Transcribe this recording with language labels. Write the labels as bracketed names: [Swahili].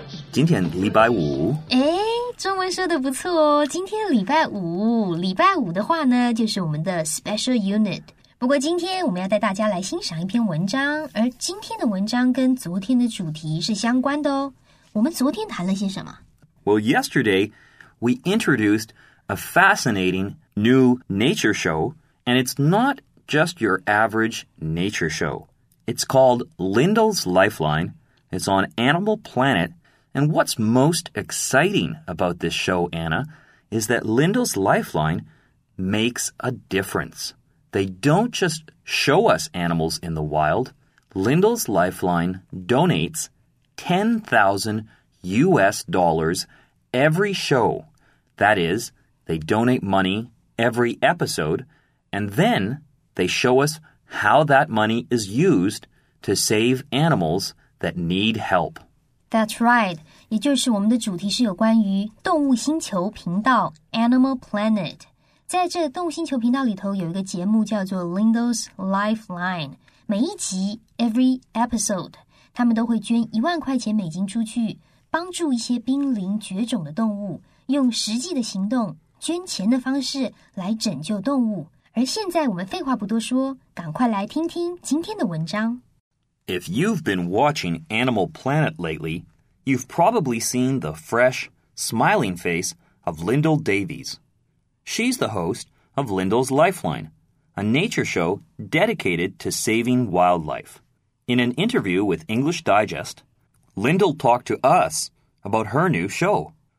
[Chinese] 今天礼拜五。诶，中文说的不错哦。今天礼拜五，礼拜五的话呢就是我们的 Special Unit。不过今天我们要带大家来欣赏一篇文章，而今天的文章跟昨天的主题是相关的哦。我们昨天谈了些什么？ [English] Well, yesterday we introduced a fascinating new nature show, and it's not just your average nature show. It's called Lindell's Lifeline. It's on Animal Planet. And what's most exciting about this show, Anna, is that Lindell's Lifeline makes a difference. They don't just show us animals in the wild. Lindell's Lifeline donates $10,000 every show. That is, they donate money every episode, and then they show us how that money is used to save animals that need help. That's right. [Chinese] 也就是我们的主题是有关于动物星球频道 Animal Planet. 在这动物星球频道里头有一个节目叫做 Lindell's Lifeline. 每一集 [English] every episode, [Chinese] 他们都会捐$10,000出去帮助一些濒临绝种的动物，用实际的行动捐钱的方式来拯救动物。而现在我们废话不多说，赶快来听听今天的文章。 [English] If you've been watching Animal Planet lately, you've probably seen the fresh, smiling face of Lindell Davies. She's the host of Lindell's Lifeline, a nature show dedicated to saving wildlife. In an interview with English Digest, Lindell talked to us about her new show.